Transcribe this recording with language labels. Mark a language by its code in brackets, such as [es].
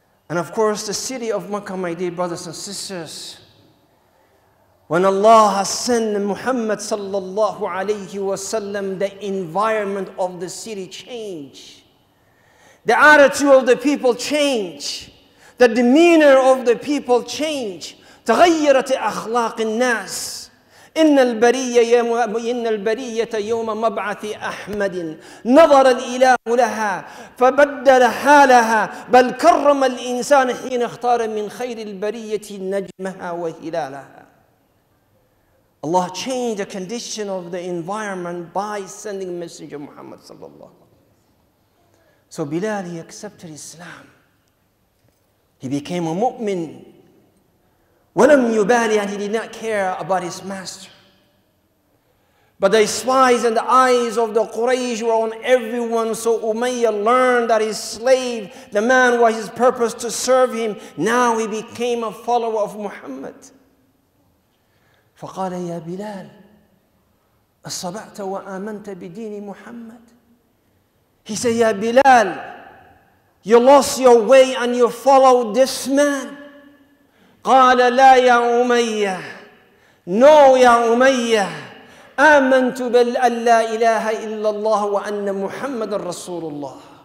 [en] And of course, the city of Mecca, my dear brothers and sisters, when Allah has sent Muhammad sallallahu alayhi wa sallam, the environment of the city changed. The attitude of the people changed. The demeanor of the people changed. [ar] تغيرت أخلاق الناس. إن البرية يوم مبعث أحمد نظر الإله لها فبدل حالها بل كرم الإنسان حين اختار من خير البرية نجمها وهلالها. [en] Allah changed the condition of the environment by sending Messenger Muhammad sallallahu alaihi. So Bilal, he accepted Islam. He became a mu'min. [ar] وَلَمْ يُبَالِي [en] And he did not care about his master. But the spies and the eyes of the Quraysh were on everyone. So Umayyah learned that his slave, the man was his purpose to serve him. Now he became a follower of Muhammad. [ar] فقال يا بلال أصبعت وآمنت بدين محمد [en] He said [ar] يا بلال [en] You lost your way and you followed this man [ar] قال لا يا أمية [en] No [ar] يا أمية آمنت بل أن لا إله إلا الله وأن محمد رسول الله